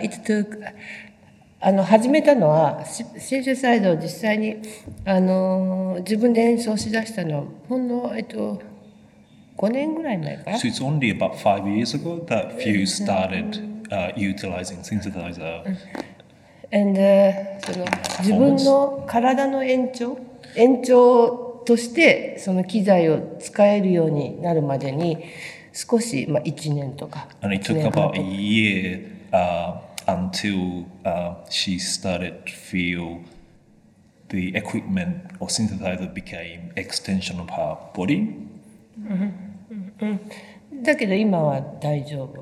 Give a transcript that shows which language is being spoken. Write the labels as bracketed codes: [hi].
[en] It took [ja] 始めたのはシンセサイザーを実際に自分で演奏しだしたのはほんの5年ぐらい前かな。 [en] So it's only about 5 years ago that Fu started utilizing synthesizer. [ja] And その自分の体の延長としてその機材を使えるようになるまでに。少し、まあ、1年とか。 [en] And it took about a year until she started to feel the equipment or synthesizer became extension of her body. [ja] だけど今は大丈夫。